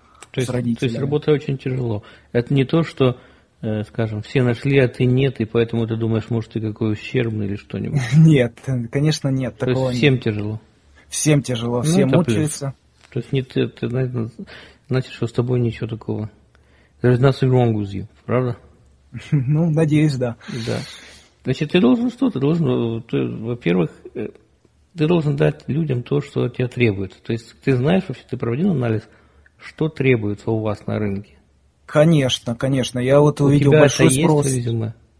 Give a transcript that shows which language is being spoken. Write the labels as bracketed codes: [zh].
[ru] то есть, с родителями. То есть работа очень тяжело. Это не то, что, скажем, все нашли, а ты нет, и поэтому ты думаешь, может, ты какой ущербный или что-нибудь. Нет, конечно, нет. То есть всем тяжело? Всем тяжело, все мучаются. То есть нет, ты знаешь, что с тобой ничего такого. [en] There's nothing wrong with you, [ru] правда? Ну, надеюсь, да. Да. Значит, ты должен что? Ты должен, во-первых, ты должен дать людям то, что от тебя требуется. То есть ты знаешь вообще, ты проводил анализ, что требуется у вас на рынке? Конечно, конечно. Я вот увидел большой спрос. У тебя это есть, видимо?